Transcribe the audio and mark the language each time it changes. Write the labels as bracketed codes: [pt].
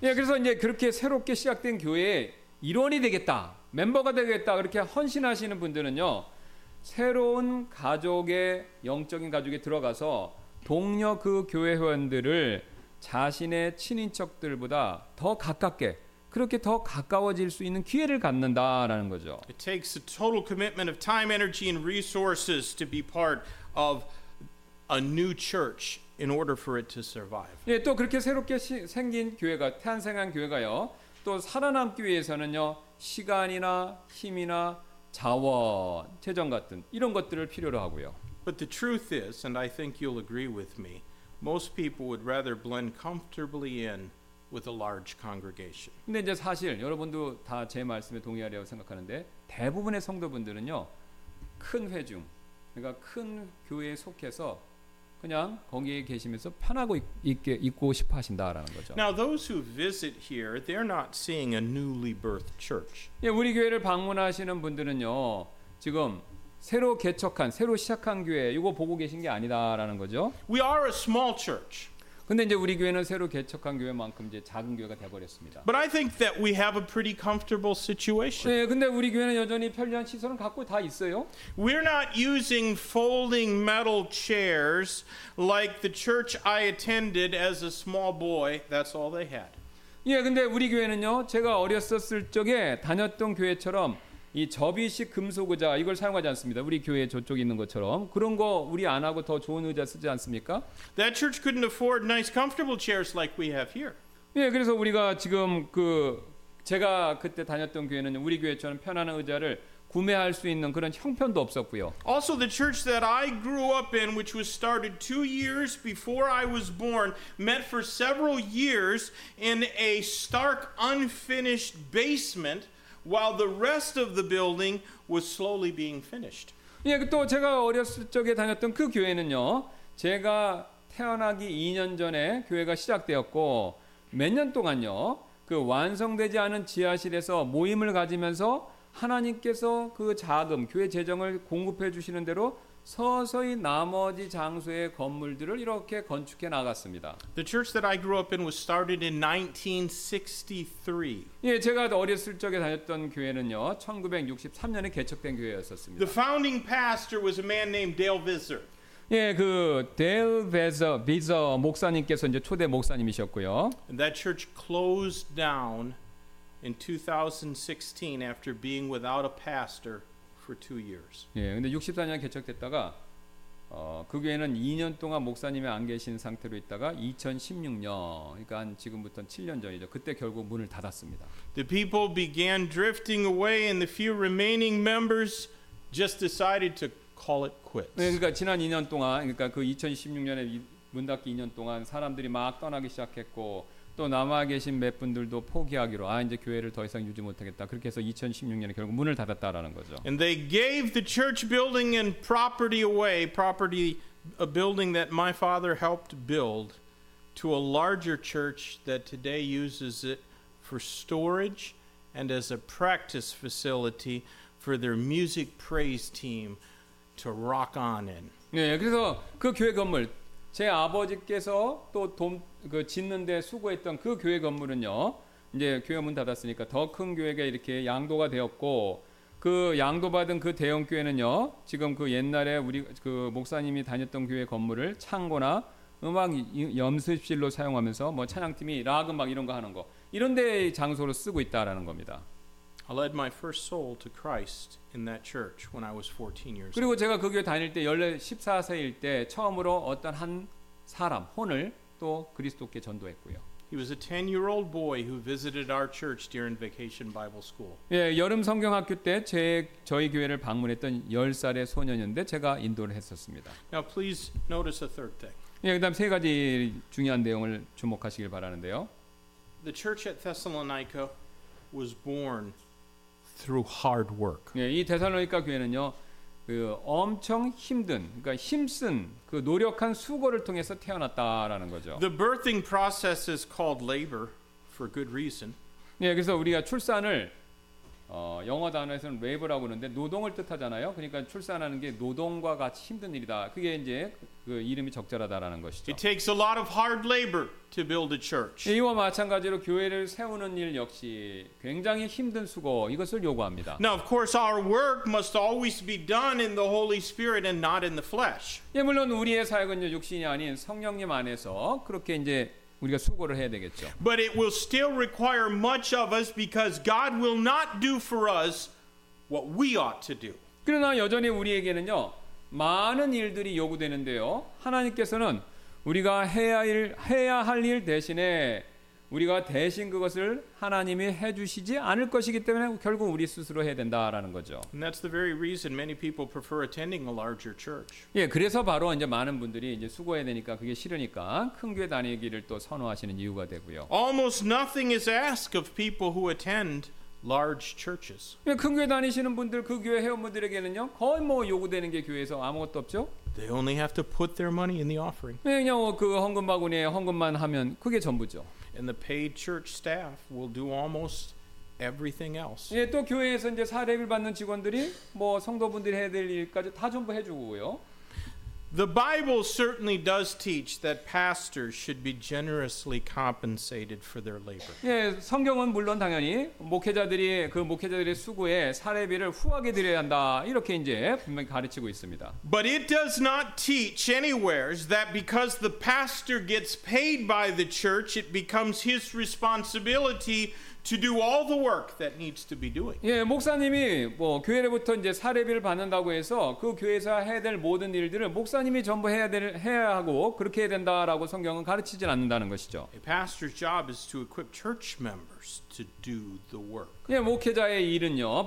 [ko] 예, 그래서 이제 그렇게 새롭게 시작된 교회의 일원이 되겠다, 멤버가 되겠다 그렇게 헌신하시는 분들은요. 새로운 가족의 영적인 가족에 들어가서 동료 그 교회 회원들을 자신의 친인척들보다 더 가깝게 그렇게 더 가까워질 수 있는 기회를 갖는다라는 거죠. [en] It takes a total commitment of time, energy, and resources to be part of a new church in order for it to survive. [ko] 예, 또 그렇게 새롭게 생긴 교회가 탄생한 교회가요. 또 살아남기 위해서는요 시간이나 힘이나 자원, 재정 같은 이런 것들을 필요로 하고요. [en] But the truth is, and I think you'll agree with me, most people would rather blend comfortably in with a large congregation. [ko] 근데 이제 사실 여러분도 다 제 말씀에 동의하려고 생각하는데 대부분의 성도분들은요 큰 회중, 그러니까 큰 교회에 속해서 그냥 거기에 계시면서 편하고 있고 싶어 하신다라는 거죠. [en] Now those who visit here, they're not seeing a newly birthed church. [ko] 예, 우리 교회를 방문하시는 분들은요, 지금 새로 개척한, 새로 시작한 교회 이거 보고 계신 게 아니다라는 거죠. [en] We are a small church. [ko] 근데 이제 우리 교회는 새로 개척한 교회만큼 이제 작은 교회가 되어버렸습니다. [en] But I think that we have a pretty comfortable situation. [ko] 네, 근데 우리 교회는 여전히 편리한 시설은 갖고 다 있어요. [en] We're not using folding metal chairs like the church I attended as a small boy. That's all they had. [ko] 예, 근데 우리 교회는요, 제가 어렸었을 적에 다녔던 교회처럼 이 접이식 금속 의자 이걸 사용하지 않습니다. 우리 교회 저쪽 있는 것처럼 그런 거 우리 안 하고 더 좋은 의자 쓰지 않습니까? [en] That church couldn't afford nice comfortable chairs like we have here. [ko] 예, 그래서 우리가 지금 그 제가 그때 다녔던 교회는 우리 교회처럼 편한 의자를 구매할 수 있는 그런 형편도 없었고요. [en] Also the church that I grew up in which was started 2 years before I was born met for several years in a stark unfinished basement. While the rest of the building was slowly being finished. [ko] 예, 또 제가 어렸을 적에 다녔던 그 교회는요, 제가 태어나기 2년 전에 교회가 시작되었고 몇 년 동안요, 그 완성되지 않은 지하실에서 모임을 가지면서 하나님께서 그 자금, 교회 재정을 공급해 주시는 대로 서서히 나머지 장소의 건물들을 이렇게 건축해 나갔습니다. [en] The church that I grew up in was started in 1963. [ko] 예, 제가 어렸을 적에 다녔던 교회는요, 1963년에 개척된 교회였었습니다. [en] The founding pastor was a man named Dale Visser. [ko] 예, 그 데일 비저 목사님께서 이제 초대 목사님이셨고요. [en] And that church closed down in 2016 after being without a pastor. For 2 years. [ko] 예, 근데 64년 개척됐다가 그 교회는 2년 동안 목사님이 안 계신 상태로 있다가 2016년, 그러니까 한 지금부터 7년 전이죠. 그때 결국 문을 닫았습니다. [en] The people began drifting away, and the few remaining members just decided to call it quits. [ko] 네, 그러니까 지난 2년 동안, 그러니까 그 2016년에 문 닫기 2년 동안 사람들이 막 떠나기 시작했고. 또 남아 계신 몇 분들도 포기하기로 아 이제 교회를 더 이상 유지 못하겠다 그렇게 해서 2016년에 결국 문을 닫았다라는 거죠. [en] And they gave the church building and property away, property, a building that my father helped build, to a larger church that today uses it for storage and as a practice facility for their music praise team to rock on in. [ko] 네, 그래서 그 교회 건물 제 아버지께서 또 돈 그 짓는 데 수고했던 그 교회 건물은요. 이제 교회 문 닫았으니까 더 큰 교회가 이렇게 양도가 되었고 그 양도받은 그 대형 교회는요. 지금 그 옛날에 우리 그 목사님이 다녔던 교회 건물을 창고나 음악 연습실로 사용하면서 뭐 찬양팀이 락 음악 이런 거 하는 거 이런 데 장소로 쓰고 있다라는 겁니다. [en] I led my first soul to Christ in that church when I was 14 years old. [ko] 그리고 제가 그 교회 다닐 때 14세일 때 처음으로 어떤 한 사람 혼을 또 그리스도께 전도했고요. [en] He was a 10-year-old boy who visited our church during vacation Bible school. [ko] 예, 여름 성경학교 때 저희 교회를 방문했던 10살의 소년인데 제가 인도를 했었습니다. [en] Now please notice a third thing. [ko] 예, 그다음 세 가지 중요한 내용을 주목하시길 바라는데요. [en] The church at Thessalonica was born through hard work. [ko] 예, 이 데살로니카 교회는요, 그 엄청 힘든, 그러니까 힘쓴 그 노력한 수고를 통해서 태어났다라는 거죠. [en] The birthing process is called labor for good reason. [ko] 예, 그래서 우리가 출산을 영어 단어에서는 labor라고 하는데 노동을 뜻하잖아요. 그러니까 출산하는 게 노동과 같이 힘든 일이다. 그게 이제 그 이름이 적절하다라는 것이죠. [en] It takes a lot of hard labor to build a church. [ko] 이와 마찬가지로 교회를 세우는 일 역시 굉장히 힘든 수고 이것을 요구합니다. [en] Now of course our work must always be done in the Holy Spirit and not in the flesh. [ko] 예, 물론 우리의 사역은 육신이 아닌 성령님 안에서 그렇게 이제 우리가 수고를 해야 되겠죠. [en] But it will still require much of us because God will not do for us what we ought to do. [ko] 그러나 여전히 우리에게는요 많은 일들이 요구되는데요. 하나님께서는 우리가 해야 할 일 대신에 우리가 대신 그것을 하나님이 해주시지 않을 것이기 때문에 결국 우리 스스로 해야 된다라는 거죠. [en] And that's the very reason many people prefer attending a larger church. [ko] 예, 그래서 바로 이제 많은 분들이 이제 수고해야 되니까 그게 싫으니까 큰 교회 다니기를 또 선호하시는 이유가 되고요. [en] Almost nothing is asked of people who attend large churches. [ko] 예, 큰 교회 다니시는 분들, 그 교회 회원분들에게는요, 거의 뭐 요구되는 게 교회에서 아무것도 없죠. [en] They only have to put their money in the offering. [ko] 예, 그냥 그 헌금 바구니에 헌금만 하면 그게 전부죠. [en] And the paid church staff will do almost everything else. [ko] 예, 또 교회에서 이제 사례비를 받는 직원들이 뭐 성도분들이 해야 될 일까지 다 전부 해주고요. [en] The Bible certainly does teach that pastors should be generously compensated for their labor. [ko] 예, 성경은 물론 당연히 목회자들이 그 목회자들의 수고에 사례비를 후하게 드려야 한다 이렇게 이제 분명히 가르치고 있습니다. [en] But it does not teach anywhere that because the pastor gets paid by the church, it becomes his responsibility to do all the work that needs to be doing. [ko] 예, 목사님이 뭐 교회로부터 이제 사례비를 받는다고 해서 그 교회에서 해야 될 모든 일들을 목사님이 전부 해야 하고 그렇게 해야 된다라고 성경은 가르치지 않는다는 것이죠. [en] A pastor's job is to equip church members to do the work. [ko] 예, 목회자의 일은요.